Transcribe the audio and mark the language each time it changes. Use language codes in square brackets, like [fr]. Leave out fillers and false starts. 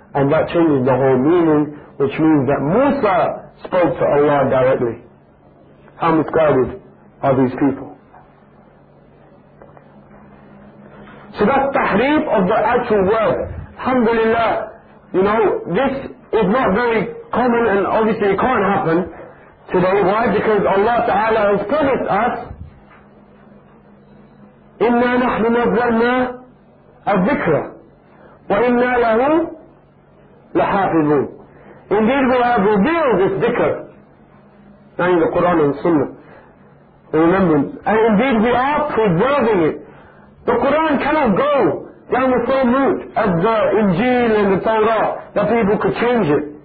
[en] And that changes the whole meaning, which means that Musa spoke to Allah directly. How misguided are these people? So that tahrif of the actual word, alhamdulillah, you know, this is not very common and obviously it can't happen today. Why? Because Allah Ta'ala has promised us, [ar] إِنَّا نَحْنُ نَزَّلْنَا الذِّكْرَ وَإِنَّا لَهُ لَحَافِظُونَ. [en] Indeed, we have revealed this dhikr, in the Quran and Sunnah, remembrance, and indeed we are preserving it. The Quran cannot go down the same route as the Injil and the Torah, that people could change it.